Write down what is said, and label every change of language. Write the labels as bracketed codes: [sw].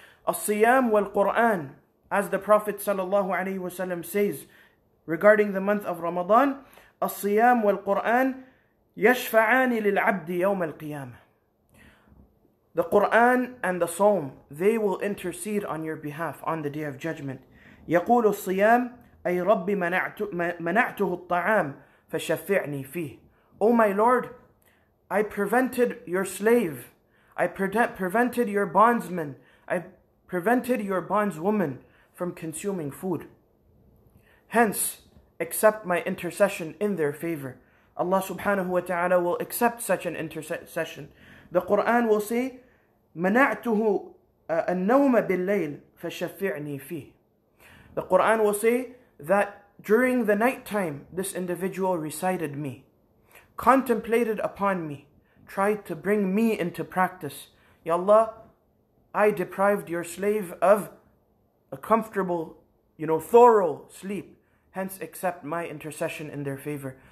[ar] As-Siyam wal-Qur'an, [en] as the Prophet sallallahu alayhi wa sallam says regarding the month of Ramadan, [ar] As-Siyam wal-Qur'an yashfa'ani lil-abdi yawm al-qiyamah. [en] The Qur'an and the Psalm, they will intercede on your behalf on the Day of Judgment. [ar] يقول الصيام أي ربي منعته الطعام فشفعني فيه. [en] O my Lord, I prevented your slave, I prevented your bondsman, I prevented your bondswoman from consuming food. Hence, accept my intercession in their favor. Allah subhanahu wa ta'ala will accept such an intercession. The Quran will say, [ar] مَنَعْتُهُ النَّوْمَ بِاللَّيْلِ فَشَفِعْنِي فِيهِ. [en] The Quran will say that during the night time, this individual recited me, contemplated upon me, tried to bring me into practice. Ya Allah, I deprived your slave of a comfortable, thorough sleep. Hence, accept my intercession in their favor.